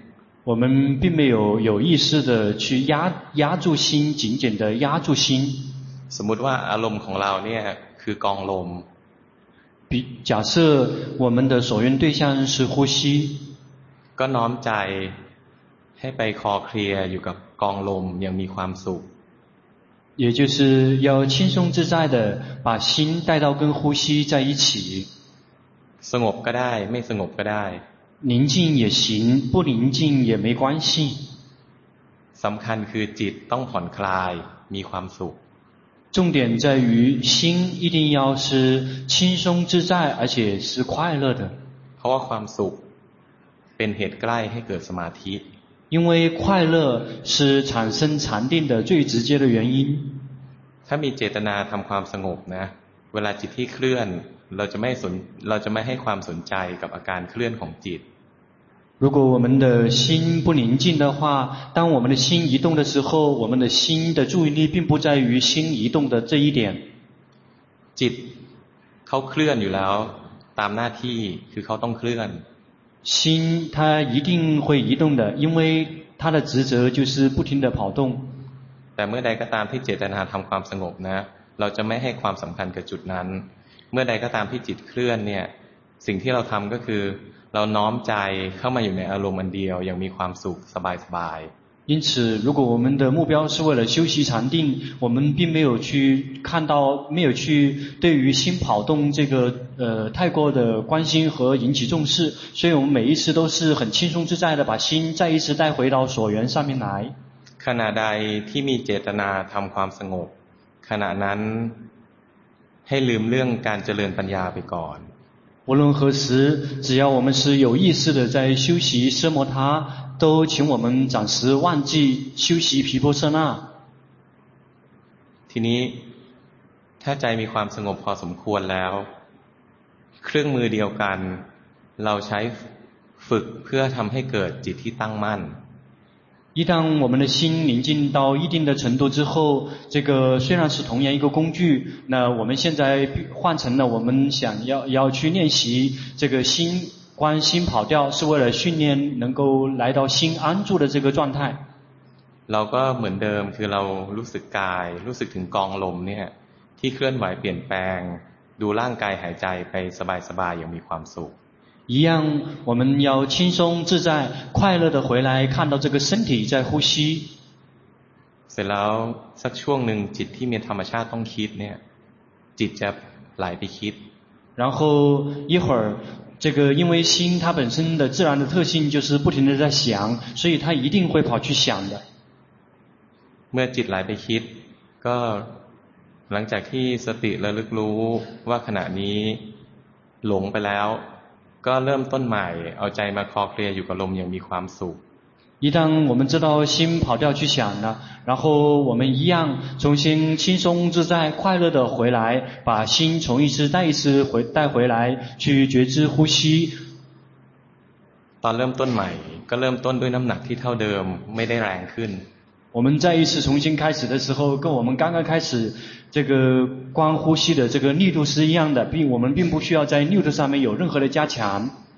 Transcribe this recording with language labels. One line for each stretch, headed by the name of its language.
Chinese: ๆ我们并没有有意识的去压住心紧紧的压住心
Thai: สมมติว่าอารมณ์ของเราเนี่ยคือกองลม
Chinese: 假设我们的所缘对象是呼吸
Thai: ก็น้อมใจให้ไปคอเคลียร์อยู่กับกองลมยังมีความสุข
Chinese: 也就是要轻松自在的把心带到跟呼吸在一起
Thai: สงบก็ได้ไม่สงบก็ได้
Chinese: 宁静也行不宁静也没关系
Thai: สำคัญคือจิตต้องผ่อนคลายมีความสุข
Chinese: 重点在于心一定要是轻松自在而且是快乐的
Thai: เพราะว่าความสุขเป็นเหตุใกล้ให้เกิดสมาธิ
Chinese: 因为快乐是产生禅定的最直接的原因
Thai: ถ้ามีเจตนาทำความสงบนะเวลาจิตที่เคลื่อนเราจะไม่ให้ความสนใจกับอาการเคลื่อนของจิต
Chinese: 如果我们的心不宁静的话当我们的心移动的时候我们的心的注意力并不在于心移动的这一点
Thai: จิตเขาเคลื่อนอยู่แล้วตามหน้าที่คือเขาต้องเคลื่อน
Chinese: 心它一定会移动的因为它的职责就是不停地跑动
Thai: แต่เมื่อใดก็ตามที่เจตนาทำความสงบนะเราจะไม่ให้ความสำคัญกับจุดนั้นเมื่อใดก็ตามที่จิตเคลื่อนเนี่ยสิ่งที่เราทำก็คือเราน้อมใจเข้ามาอยู่ในอารมณ์อันเดียวอย่างมีความสุขสบายสบาย
Chinese: 因此如果我们的目标是为了修习禅定我们并没有去看到没有去对于心跑动这个太过的关心和引起重视所以我们每一次都是很轻松自在的把心再一次带回到所缘上面来
Thai: ขณะใดที่มีเจตนาทำความสงบขณะนั้นให้ลืมเรื่องการเจริญปัญญาไปก่อน
Chinese: 无论何时只要我们是有意识的在修习奢摩他都请我们暂时忘记修习毗婆舍那
Thai: ทีนี้ถ้าใจมีความสงบพอสมควรแล้วเครื่องมือเดียวกันเราใช้ฝึกเพื่อทำให้เกิดจิตที่ตั้งมั่น
Chinese: 一旦我们的心宁静到一定的程度之后这个虽然是同样一个工具那我们现在换成了我们想要去练习这个心关心跑掉是为了训练能够来到心安住的这个状态。
Thai: เราก็เหมือนเดิมคือเรารู้สึกกายรู้สึกถึงกองลมเนี่ยที่เคลื่อนไหวเปลี่ยนแปลงดูร่างกายหายใจไปสบายสบายอย่างมีความสุข
Chinese: 一样，我们要轻松自在、快乐的回来，看到这个身体在呼吸。
Thai: เสร็จแล้วสักช่วงหนึ่งจิตที่มีธรรมชาติต้องคิดเนี่ยจิตจะไหลไปคิด。
Chinese: 然后一会儿，这个因为心它本身的自然的特性就是不停的在想，所以它一定会跑去想的。
Thai: เมื่อจิตไหลไปคิดก็หลังจากที่สติระลึกรู้ว่าขณะนี้หลงไปแล้วก็เริ่มต้นใหม่เอาใจมาคลอเคลียอยู่กับลมอย่างมีความสุข
Chinese: 一旦我们知道心跑掉去想了然后我们一样重新轻松自在快乐的回来把心从一次带一次回带回来去觉知呼吸
Thai: ตอนเริ่มต้นใหม่ก็เริ่มต้นด้วยน้ำหนักที่เท่าเดิมไม่ได้แรงขึ้น
Chinese: 我们再一次重新开始的时候跟我们刚刚开始这个光呼吸的这个力度是一样的并我们并不需要在力度上面有任何的加强